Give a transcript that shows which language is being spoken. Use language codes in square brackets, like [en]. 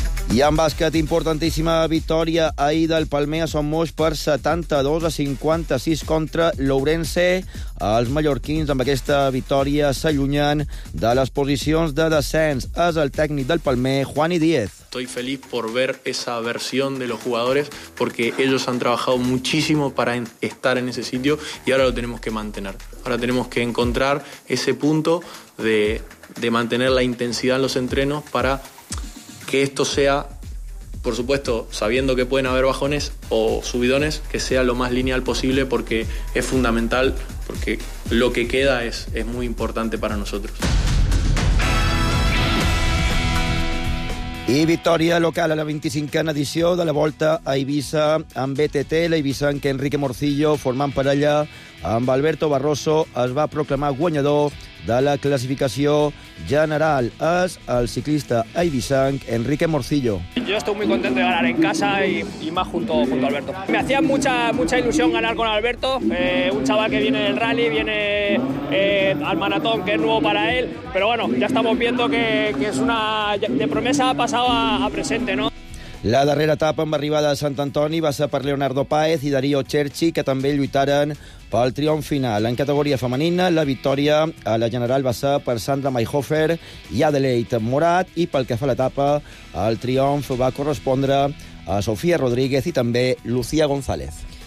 [ca] I en bàsquet, importantíssima victòria ahir del Palmea Son Moix per 72-56 contra l'Ourense. Els mallorquins amb aquesta victòria s'allunyen de les posicions de descens. És el tècnic del Palmea, Juani Díez. [es] Estoy feliz por ver esa versión de los jugadores, porque ellos han trabajado muchísimo para estar en ese sitio y ahora lo tenemos que mantener. Ahora tenemos que encontrar ese punto de mantener la intensidad en los entrenos para que esto sea, por supuesto, sabiendo que pueden haber bajones o subidones, que sea lo más lineal posible, porque es fundamental, porque lo que queda es muy importante para nosotros. [ca] I victòria local a la 25a edició de la Volta a Eivissa amb BTT. L'Eivissa, en què Enrique Morcillo, formant parella amb Alberto Barroso, es va proclamar guanyador de la classificació general. És el ciclista eivissanc Enrique Morcillo. [es] Yo estoy muy contento de ganar en casa y más junto a Alberto. Me hacía mucha ilusión ganar con Alberto, un chaval que viene del rally, viene al maratón, que es nuevo para él, pero bueno, ya estamos viendo que es una de promesa ha pasado a presente, ¿no? [ca] La darrera etapa amb arribada a Sant Antoni va ser per Leonardo Páez i Darío Cherchi, que també lluitaren pel triomf final. En categoria femenina, la victòria a la general va ser per Sandra Mayhofer i Adelaide Morat, i pel que fa a l'etapa, el triomf va correspondre a Sofia Rodríguez i també Lucía González.